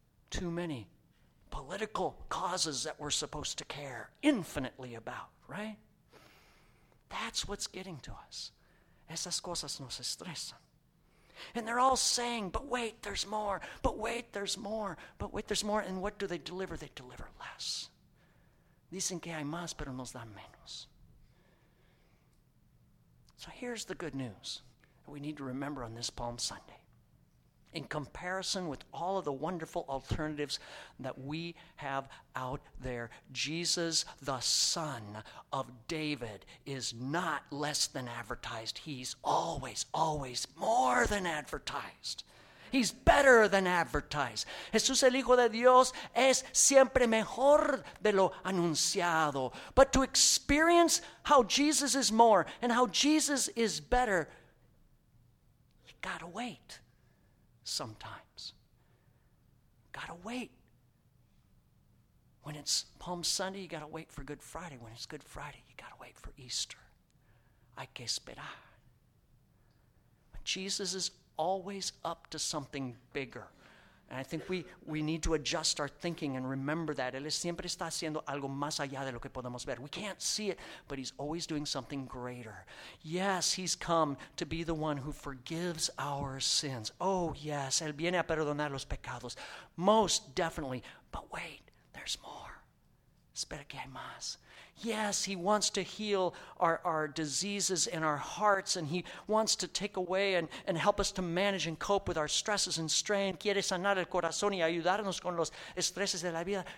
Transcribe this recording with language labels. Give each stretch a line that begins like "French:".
English: Too many political causes that we're supposed to care infinitely about, right? That's what's getting to us.
Spanish: Esas cosas nos estresan.
English: And they're all saying, but wait, there's more. But wait, there's more. But wait, there's more. And what do they deliver? They deliver less.
Spanish: Dicen que hay más, pero nos dan menos.
English: So here's the good news that we need to remember on this Palm Sunday. In comparison with all of the wonderful alternatives that we have out there, Jesus, the Son of David, is not less than advertised. He's always, always more than advertised. He's better than advertised.
Spanish: Jesús, el Hijo de Dios, es siempre mejor de lo anunciado.
English: But to experience how Jesus is more and how Jesus is better, you gotta wait. Sometimes. Gotta wait. When it's Palm Sunday, you gotta wait for Good Friday. When it's Good Friday, you gotta wait for Easter.
Spanish: Hay que esperar.
English: But Jesus is always up to something bigger. And I think we need to adjust our thinking and remember that.
Spanish: Él siempre está haciendo algo más allá de lo que podemos ver.
English: We can't see it, but he's always doing something greater. Yes, he's come to be the one who forgives our sins. Oh, yes,
Spanish: él viene a perdonar los pecados.
English: Most definitely. But wait, there's more.
Spanish: Espera que hay más.
English: Yes, he wants to heal our diseases in our hearts, and he wants to take away and help us to manage and cope with our stresses and strain.
Spanish: Quiere sanar el corazón y ayudarnos con los estreses de la vida.